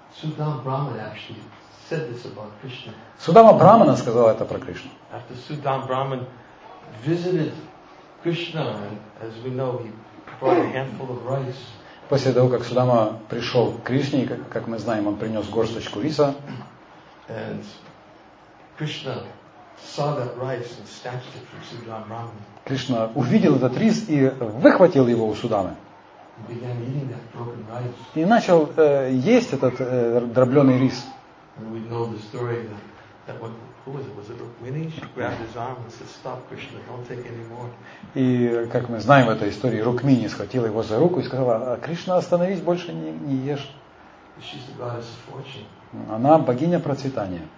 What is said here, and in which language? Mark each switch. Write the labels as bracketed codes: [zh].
[ru] Судама Брахмана сказал это про Кришну. [en] After Sudama Brahman visited Krishna, as we know, he brought a handful of rice. [ru] После того, как Судама пришел к Кришне, как мы знаем, он принес горсточку риса. [en] And Krishna saw that rice and snatched it from Sudama Brahman. [ru] Кришна увидел этот рис и выхватил его у Судамы. [en] And began eating that broken rice. [ru] И начал есть этот дробленый рис. [en] And we know the story that when, who was it? Was it Rukmini? She grabbed his arm and said, "Stop, Krishna! Don't take any more." [ru] И как мы знаем в этой истории, Рукмини схватила его за руку и сказала: "Кришна, остановись, больше не ешь." [en] She's the goddess of fortune. [ru] Она богиня процветания.